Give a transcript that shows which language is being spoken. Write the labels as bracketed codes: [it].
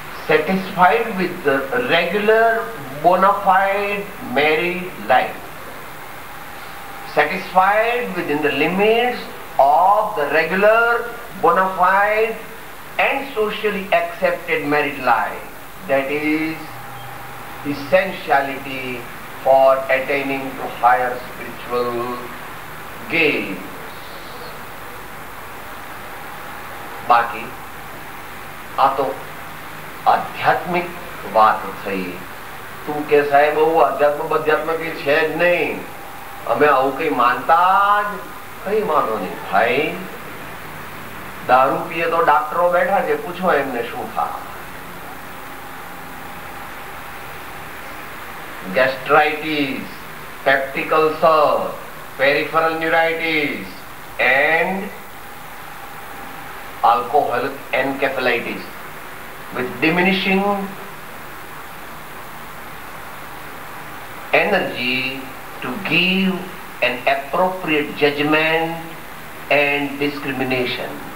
[en] Satisfied with the regular bona fide married life, satisfied within the limits of the regular bona fide and socially accepted married life, that is essentiality for attaining to higher spiritual gains. [gu] Baki ato આધ્યાત્મિક વાત થઈ. તું કે સાહેબ બહુ આધ્યાત્મ અધ્યાત્મ કઈ છે જ નહીં, અમે આવું કઈ માનતા જ કઈ માનો નહીં. ભાઈ દારૂ પીએ તો ડાક્ટરો બેઠા છે, પૂછો એમને શું થાય. [en] Gastritis, peptic ulcer, peripheral neuritis and alcohol encephalitis with diminishing energy to give an appropriate judgment and discrimination.